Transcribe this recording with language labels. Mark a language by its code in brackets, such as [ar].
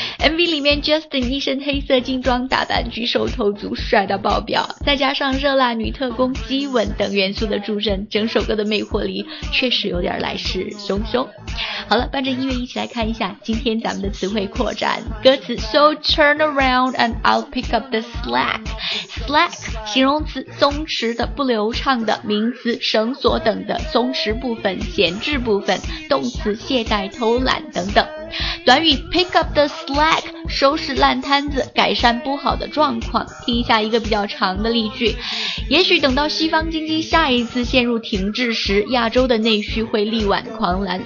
[zh] MV 里面 Justin 一身黑色劲装打扮举手投足帅到爆表，再加上热辣女特工激吻等元素的助阵，整首歌的魅惑力确实有点来势汹汹。好了，伴着音乐一起来看一下今天咱们的词汇扩展歌词。 [en] So turn around and I'll pick up the slack. [zh] Slack 形容词，松弛的，不流畅的，名词绳索等的松弛部分，闲置部分，动词懈怠偷懒等等。短语 pick up the slack 收拾烂摊子，改善不好的状况。听一下一个比较长的例句，也许等到西方经济下一次陷入停滞时，亚洲的内需会力挽狂澜。